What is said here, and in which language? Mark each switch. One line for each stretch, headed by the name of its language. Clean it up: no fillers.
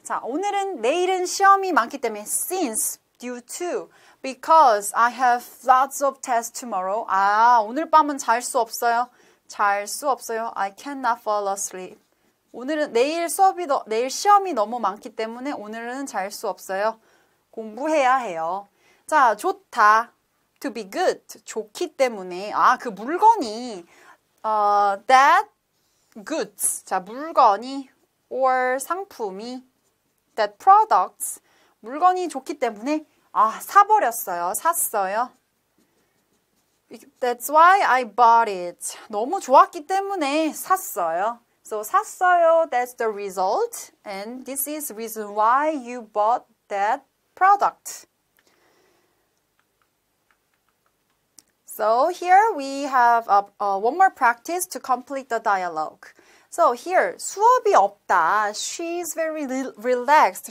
Korean: 자, 오늘은 내일은 시험이 많기 때문에.
English: Since, due to, because I have lots of tests tomorrow.
Korean: 아, 오늘 밤은 잘 수 없어요. 잘 수 없어요.
English: I cannot fall asleep.
Korean: 오늘은 내일 시험이 너무 많기 때문에 오늘은 잘 수 없어요. 공부해야 해요. 자, 좋다.
English: To be good.
Korean: 좋기 때문에. 아, 그 물건이
English: that goods.
Korean: 자, 물건이 or 상품이
English: that products.
Korean: 물건이 좋기 때문에 아, 사버렸어요. 샀어요.
English: That's why I bought it.
Korean: 너무 좋았기 때문에 샀어요.
English: So,
Korean: 샀어요.
English: That's the result. And this is reason why you bought that product. So here we have one more practice to complete the dialogue. So here,
Korean: 수업이 없다.
English: She's very relaxed.